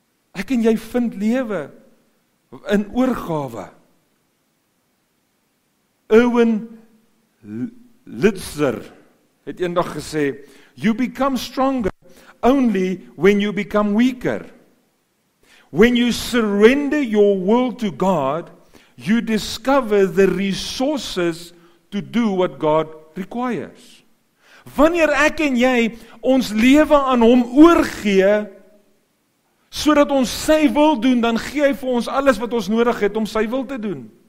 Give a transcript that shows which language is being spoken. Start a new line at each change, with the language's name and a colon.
Afrikaans: Ek en jy vind leven in oorgawe.
English: Owen Litzer
Afrikaans: het een dag gesê,
English: you become stronger only when you become weaker. When you surrender your will to God, you discover the resources to do what God requires.
Afrikaans: Wanneer ek en jy ons leven aan hom oorgee, zodat ons sy wil doen, dan gee hy vir ons alles wat ons nodig het om sy wil te doen.